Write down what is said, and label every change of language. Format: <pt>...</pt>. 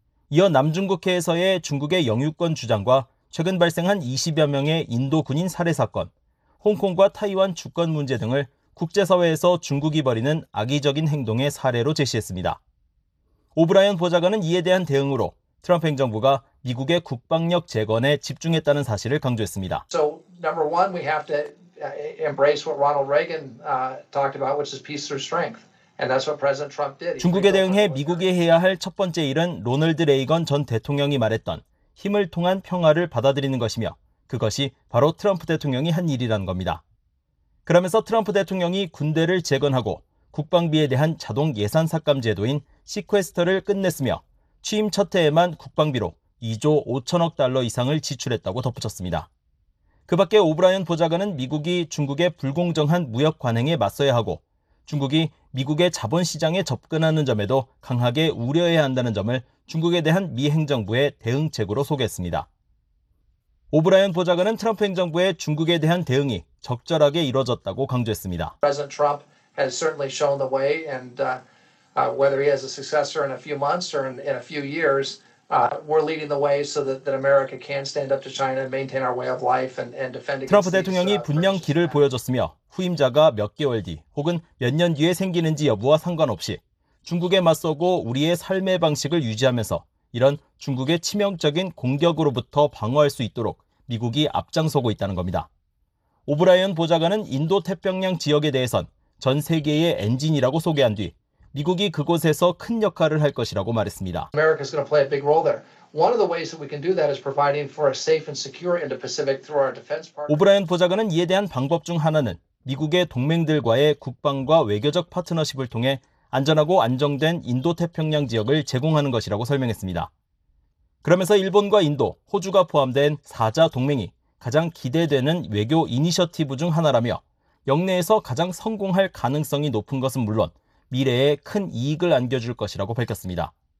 <ko>이어 남중국해에서의 중국의 영유권 주장과 최근 발생한 20여 명의 인도 군인 살해 사건, 홍콩과 타이완 주권 문제 등을 국제사회에서 중국이 벌이는 악의적인 행동의 사례로 제시했습니다. 오브라이언 보좌관은 이에 대한 대응으로 트럼프 행정부가 미국의 국방력 재건에 집중했다는 사실을 강조했습니다.</ko> <en>So, number one, we have to embrace what Ronald Reagan talked about, which is peace through strength. And that's what President Trump did.</en> <ko>중국에 대응해 미국이 해야 할 첫 번째 일은 로널드 레이건 전 대통령이 말했던 힘을 통한 평화를 받아들이는 것이며 그것이 바로 트럼프 대통령이 한 일이라는 겁니다. 그러면서 트럼프 대통령이 군대를 재건하고 국방비에 대한 자동 예산 삭감 제도인 시퀘스터를 끝냈으며 취임 첫 해에만 국방비로 2조 5천억 달러 이상을 지출했다고 덧붙였습니다. 그 밖에 오브라이언 보좌관은 미국이 중국의 불공정한 무역 관행에 맞서야 하고 중국이 미국의 자본시장에 접근하는 점에도 강하게 우려해야 한다는 점을 중국에 대한 미 행정부의 대응책으로 소개했습니다. 오브라이언 보좌관은 트럼프 행정부의 중국에 대한 대응이 적절하게 이루어졌다고 강조했습니다.</ko> <en>We're leading the way so that America can stand up to China and maintain our way of life and defend against these.</en> <ko>트럼프 대통령이 분명 길을 보여줬으며 후임자가 몇 개월 뒤 혹은 몇 년 뒤에 생기는지 여부와 상관없이 중국에 맞서고 우리의 삶의 방식을 유지하면서 이런 중국의 치명적인 공격으로부터 방어할 수 있도록 미국이 앞장서고 있다는 겁니다. 오브라이언 보좌관은 인도 태평양 지역에 대해선 전 세계의 엔진이라고 소개한 뒤 미국이 그곳에서 큰 역할을 할 것이라고 말했습니다.</ko> <en>America's going to play a big role there. One of the ways that we can do that is providing for a safe and secure Indo-Pacific through our defense partners.</en> <ko>오브라이언 보좌관은 이에 대한 방법 중 하나는 미국의 동맹들과의 국방과 외교적 파트너십을 통해 안전하고 안정된 인도태평양 지역을 제공하는 것이라고 설명했습니다. 그러면서 일본과 인도, 호주가 포함된 4자 동맹이 가장 기대되는 외교 이니셔티브 중 하나라며 역내에서 가장 성공할 가능성이 높은 것은 물론 미래에 큰 이익을 안겨줄 것이라고 밝혔습니다.</ko>